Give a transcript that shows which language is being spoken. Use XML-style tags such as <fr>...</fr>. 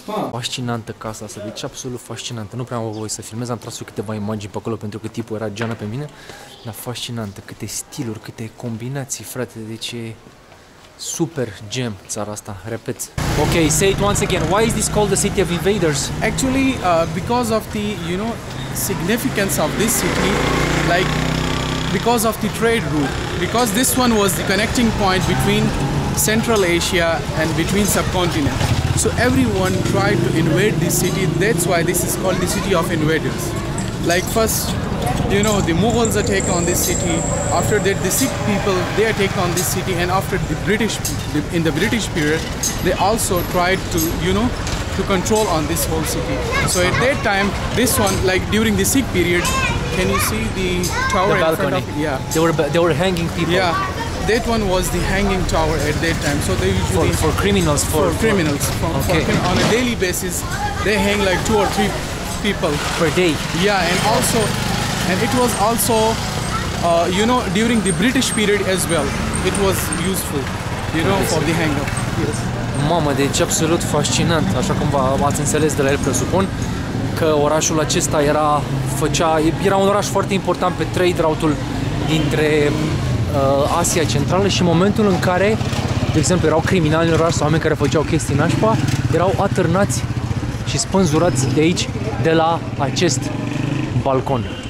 <ro>Fascinantă casa asta, deci absolut fascinantă. Nu prea am voie să filmez, am tras câteva imagini pe acolo pentru că tipul era geană pe mine. Dar fascinantă, câte stiluri, câte combinații, frate, deci e super gem țara asta, repet.</ro> <en>Ok, say it once again, why is this called the city of invaders? Actually, because of the, you know, significance of this city, like, because of the trade route, because this one was the connecting point between Central Asia and between subcontinent, so everyone tried to invade this city. That's why this is called the city of invaders. Like first, you know, the Mughals are taking on this city, after that the Sikh people, they are taking on this city, and after the British, in the British period, they also tried to, you know, to control on this whole city. So at that time, this one, like during the Sikh period, can you see the tower? The balcony. In front of, yeah. They were hanging people. Yeah. That one was the hanging tower at that time. So they usually for criminals. For criminals. On a daily basis, they hang like two or three people per day. Yeah, and it was also, you know, during the British period as well, it was useful, you know, for the hanger. Yes.</en> <ro>Mamă, deci absolut fascinant, așa cum v-ați înțeles de la el, presupun că orașul acesta era un oraș foarte important pe trade route-ul dintre Asia Centrală și momentul în care, de exemplu, erau criminali în oraș sau oameni care făceau chestii nașpa, erau atârnați și spânzurați de aici, de la acest balcon.</ro>